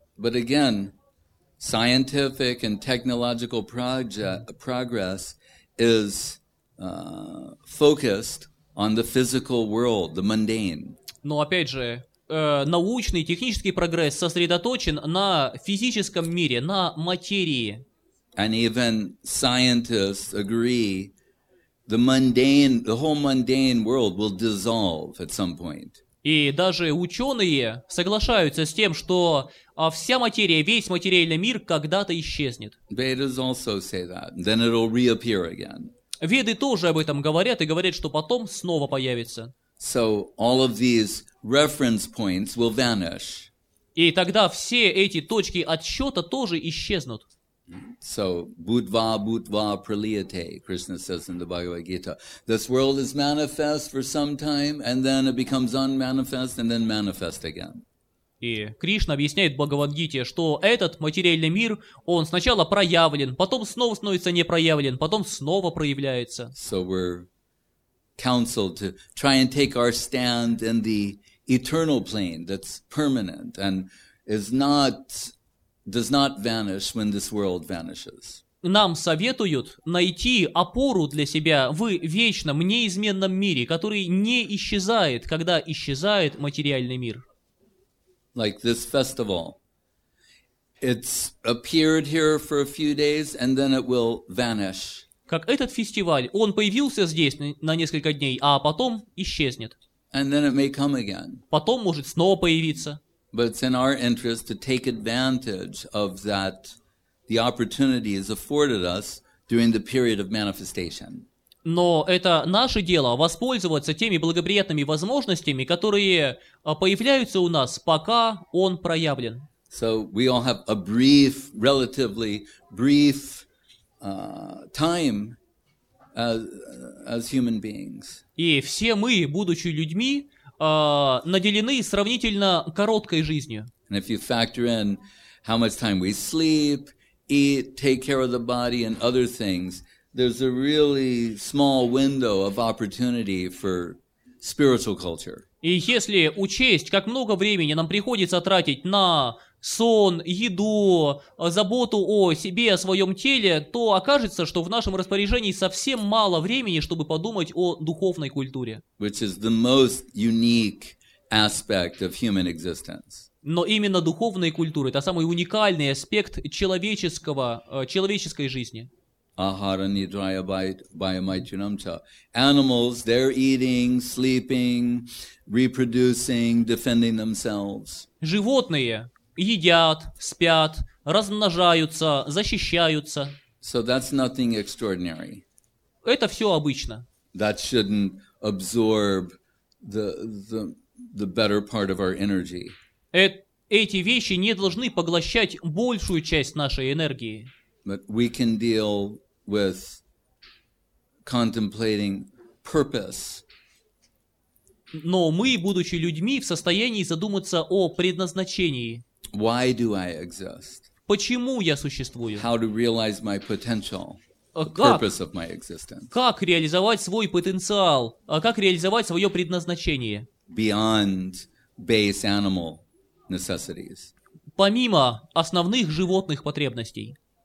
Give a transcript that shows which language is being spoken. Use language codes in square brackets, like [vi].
[en] But again, scientific and technological progress is focused on the physical world, the mundane. [ru] Но опять же, научный, технический прогресс сосредоточен на физическом мире, на материи. [en] And even scientists agree the whole mundane world will dissolve at some point. [ru] И даже ученые соглашаются с тем, что вся материя, весь материальный мир когда-то исчезнет. [en] Vedas also say that. Then it'll reappear again. [ru] Веды тоже об этом говорят и говорят, что потом снова появится. [en] So all of these reference points will vanish. [ru] И тогда все эти точки отсчета тоже исчезнут. [en] So, [sa] будва, будва, пралияте, [en] Krishna says in the Bhagavad Gita. This world is manifest for some time, and then it becomes unmanifest, and then manifest again. [ru] И Кришна объясняет в Бхагавад-гите, что этот материальный мир, он сначала проявлен, потом снова становится непроявлен, потом снова проявляется. [en] So we're counseled to try and take our stand in the eternal plane that's permanent and is not... does not vanish when this world vanishes. [ru] Нам советуют найти опору для себя в вечном, неизменном мире, который не исчезает, когда исчезает материальный мир. [en] Like this festival. It's appeared here for a few days, and then it will vanish. [ru] Как этот фестиваль, он появился здесь на несколько дней, а потом исчезнет. [en] And then it may come again. [ru] Потом может снова появиться. [en] But it's in our interest to take advantage of that, the opportunities afforded us during the period of manifestation. [ru] Но это наше дело воспользоваться теми благоприятными возможностями, которые появляются у нас, пока он проявлен. [en] So we all have a brief, relatively brief time as human beings. [ru] И все мы, будучи людьми, наделены сравнительно короткой жизнью. [en] And if you factor in how much time we sleep, eat, take care of the body and other things, there's a really small window of opportunity for spiritual culture. [ru] И если учесть, как много времени нам приходится тратить на сон, еду, заботу о себе, о своем теле, то окажется, что в нашем распоряжении совсем мало времени, чтобы подумать о духовной культуре. [en] Which is the most unique aspect of human existence. [ru] Но именно духовная культура – это самый уникальный аспект человеческого, человеческой жизни. [sa] Ahara nidraya bhayamaitunam cha. [en] Animals, they're eating, sleeping, reproducing, defending themselves. [ru] Животные – едят, спят, размножаются, защищаются. [en] So that's nothing extraordinary. [ru] Это все обычно. [en] That shouldn't absorb the better part of our energy. [ru] Эти вещи не должны поглощать большую часть нашей энергии. [en] But we can deal with contemplating purpose. [ru] Но мы, будучи людьми, в состоянии задуматься о предназначении. [en] Why do I exist? [ru] Почему я существую? [en] How to realize my potential, the purpose of my existence? [ru] Как реализовать свой потенциал? Как реализовать свое предназначение? [en] Beyond base animal necessities. [ru] Помимо основных животных потребностей.